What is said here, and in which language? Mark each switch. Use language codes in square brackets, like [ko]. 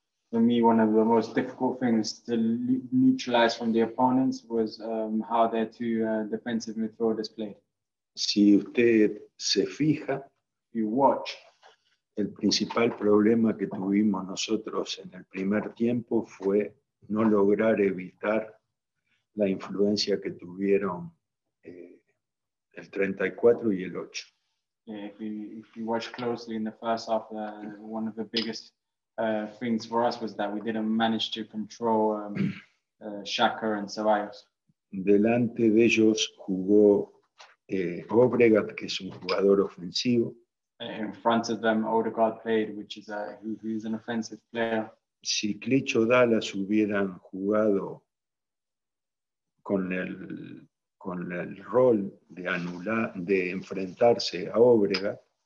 [en] For me, one of the most difficult things to neutralize from the opponents was how their two defensive midfielders played. [es] Si usted se fija, [en] you watch. [es] El principal problema que tuvimos nosotros en el primer tiempo fue no lograr evitar la influencia que tuvieron el 34 y el 8. [en] If you watch closely in the first half, one of the biggest things for us was that we didn't manage to control Shaka and Ceballos. [es] Delante de ellos jugó Obregat, que es un jugador ofensivo. [en] In front of them, Odegaard played, which is he's an offensive player. [es] Si Klich o Dallas hubieran jugado con el rol de anular, de enfrentarse a Obregat,